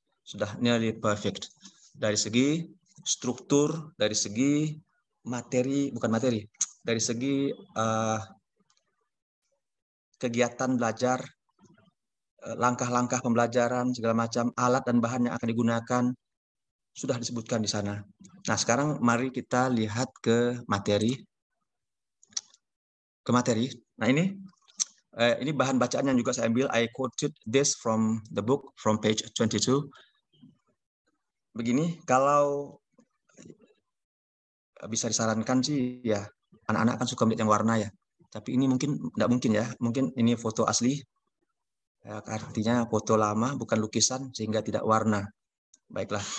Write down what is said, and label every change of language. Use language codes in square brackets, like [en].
[id] Sudah [en] nearly perfect. [id] Dari segi struktur, dari segi materi, bukan materi, dari segi kegiatan belajar, langkah-langkah pembelajaran, segala macam, alat dan bahan yang akan digunakan, sudah disebutkan di sana. Nah, sekarang mari kita lihat ke materi. Nah, ini bahan bacaan yang juga saya ambil. [en] I quoted this from the book, from page 22. [id] Begini, kalau bisa disarankan sih ya, anak-anak kan suka melihat yang warna ya. Tapi ini mungkin enggak mungkin ya. Mungkin ini foto asli. Artinya foto lama, bukan lukisan, sehingga tidak warna. Baiklah.